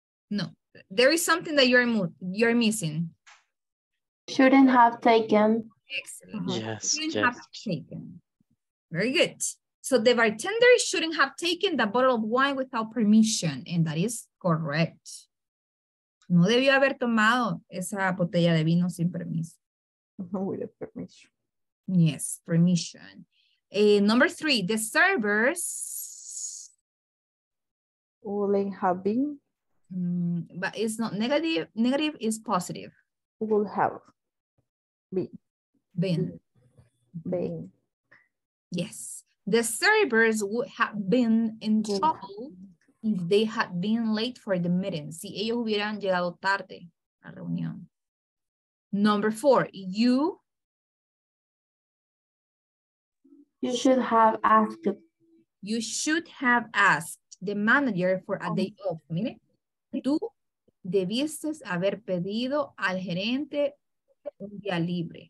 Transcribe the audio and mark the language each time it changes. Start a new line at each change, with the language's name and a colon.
English: No, there is something that you're missing. Shouldn't have taken. Excellent. Yes. Shouldn't have taken. Very good. So the bartender shouldn't have taken the bottle of wine without permission, and that is correct.
Spanish: No debió haber tomado esa botella de vino sin permiso.
English: With permission. Yes, permission. Number three, the servers. Wouldn't have been. But it's not negative. Negative is positive. Would have been. Been. Yes. The servers would have been in trouble if they had been late for the meeting.
Spanish: Si ellos hubieran llegado tarde a la reunión.
English: Number four, you should have asked. You should have asked the manager for a day off.
Spanish: Mire, tú debiste haber pedido al gerente un día libre.